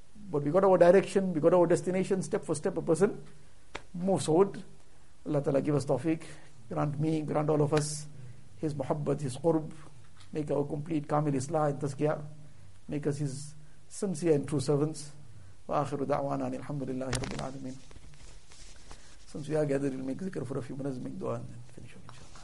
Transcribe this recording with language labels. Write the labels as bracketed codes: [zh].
[en] But we got our direction, we got our destination, step for step a person moves forward. Allah Ta'ala give us tawfiq, grant me, grant all of us his muhabbat, his qurb, make our complete kamil islah and tazkiyah, make us his sincere and true servants. [ar] وآخر دعوانا أن الحمد لله رب العالمين. [en] Since we are gathered, we'll make zikr for a few minutes, make dua and then finish up.